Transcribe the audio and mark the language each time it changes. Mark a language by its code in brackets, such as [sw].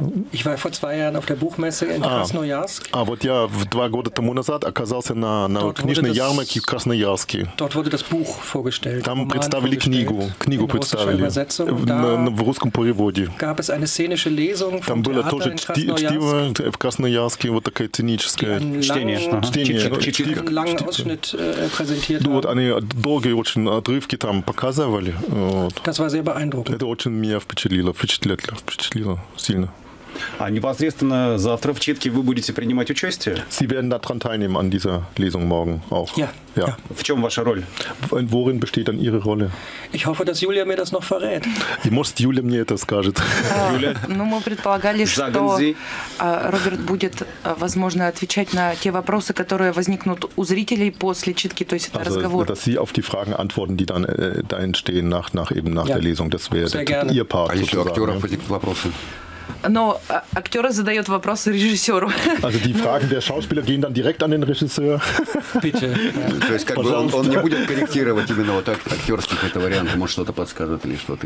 [de] Ich war vor zwei Jahren auf der Buchmesse in Krasnojarsk. [ru] А вот я два года тому назад оказался на книжной ярмарке в Красноярске. [de] Dort wurde das Buch vorgestellt. [ru] Там представили книгу. Книгу представили. В русском переводе. [de] Gab es eine szenische Lesung von Theater in Krasnojarsk. [ru] Там было тоже чтиво в Красноярске, вот такое сценическое чтение. Ну вот они долгие очень отрывки там показывали. [de] Das war sehr beeindruckend. [ru] Это очень меня впечатлило. Сильно. А непосредственно завтра в читке вы будете принимать участие? [de] Sie werden daran teilnehmen an dieser Lesung morgen auch. Ja. [ru] В чем ваша роль? [de] Worin besteht dann Ihre Rolle? Ich hoffe, dass Julia mir das noch verrät. [ru] И может, Юля мне это скажет. Юля. Ну, мы предполагали, что Роберт будет, возможно, отвечать на те вопросы, которые возникнут у зрителей после читки, то есть это разговор. [de] Dass Sie auf die Fragen antworten, die dann da entstehen nach der Lesung. Das wäre Ihr Part. [ru] А если у актеров возникнут вопросы? Но актеры задают вопросы режиссеру. [de] Also die Fragen der Schauspieler gehen dann direkt an den Regisseur. Bitte. [ru] То есть, он не будет корректировать именно вот так актерский какой-то вариант, может что-то подсказывать или что-то.